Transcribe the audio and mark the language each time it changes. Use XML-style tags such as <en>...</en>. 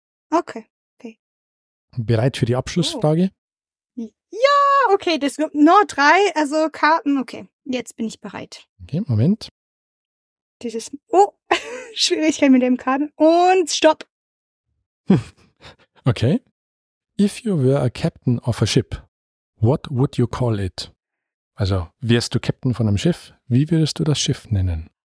<de>Okay. Bereit für die Abschlussfrage? Oh. Ja, okay, das gibt nur drei, also Karten, okay. Jetzt bin ich bereit. Okay, Moment. Schwierigkeit mit dem Karten. Und stopp. Okay.</de> <en>If you were a captain of a ship, what would you call it?</en> <de>Also, wärst du Captain von einem Schiff? Wie würdest du das Schiff nennen?</de>